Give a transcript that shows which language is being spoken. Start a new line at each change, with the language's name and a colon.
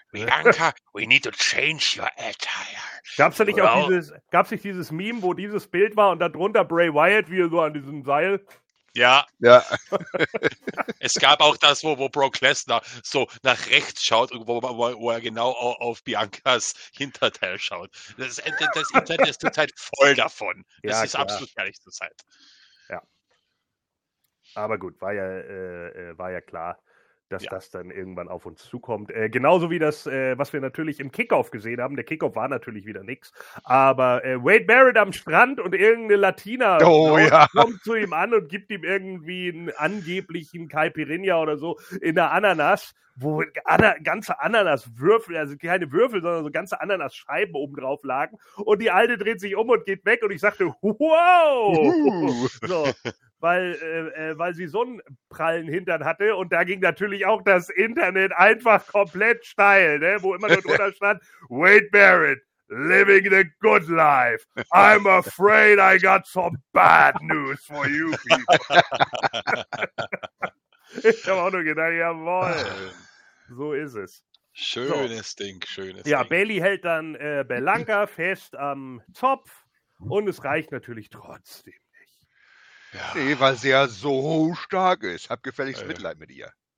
English: Bianca, we need to change your attire.
German: Gab's da nicht gab's nicht dieses Meme, wo dieses Bild war und darunter Bray Wyatt wie so an diesem Seil? Ja. Ja. Es gab auch das, wo Brock Lesnar so nach rechts schaut und wo er genau auf Biancas Hinterteil schaut. Das Internet ist zurzeit voll davon. Das ist klar. Absolut ehrlich zurzeit. Ja. Aber gut, war ja klar, dass das dann irgendwann auf uns zukommt. Genauso wie das, was wir natürlich im Kickoff gesehen haben. Der Kickoff war natürlich wieder nix. Aber Wade Barrett am Strand und irgendeine Latina kommt zu ihm an und gibt ihm irgendwie einen angeblichen Caipirinha oder so in der Ananas, wo ganze Ananaswürfel, also keine Würfel, sondern so ganze Ananasscheiben oben drauf lagen. Und die Alte dreht sich um und geht weg. Und ich sagte, wow! So. Weil sie so einen prallen Hintern hatte und da ging natürlich auch das Internet einfach komplett steil, ne? Wo immer nur drunter stand, Wade Barrett,
English: living the good life. I'm afraid I got some bad news for you people.
German: Ich habe auch nur gedacht, jawohl, so ist es. Schönes so. Ding, schönes ja, Ding. Ja, Bailey hält dann Belanka fest am Zopf und es reicht natürlich trotzdem. Ja. Nee, weil sie ja so stark ist. Hab gefälligst Mitleid mit ihr.